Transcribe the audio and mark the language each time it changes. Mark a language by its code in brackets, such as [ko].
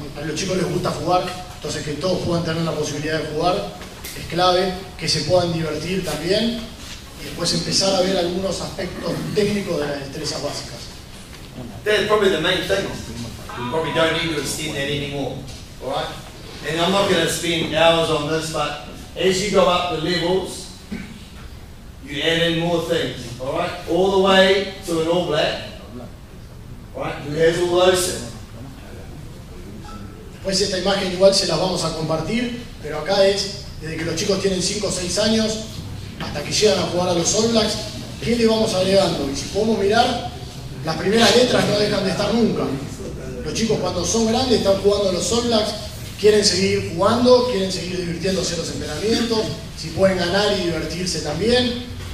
[es] A los chicos les gusta jugar, entonces que todos puedan tener la posibilidad de jugar es clave, que se puedan divertir también y después empezar a ver algunos aspectos técnicos de las destrezas básicas. [en] That's probably the main thing. We probably don't need to extend that anymore, alright? And I'm not going to spend hours on this, but as you go up the levels, you add in more things, alright? All the way to an All Black, alright? Who has all those? [es] Pues esta imagen igual se las vamos a compartir, pero acá es desde que los chicos tienen 5 o 6 años hasta que llegan a jugar a los All Blacks, ¿qué le vamos agregando? Y si podemos mirar, las primeras letras no dejan de estar nunca. Los chicos cuando son grandes están jugando a los All Blacks, quieren seguir jugando, quieren seguir divirtiéndose en los entrenamientos, si pueden ganar y divertirse también.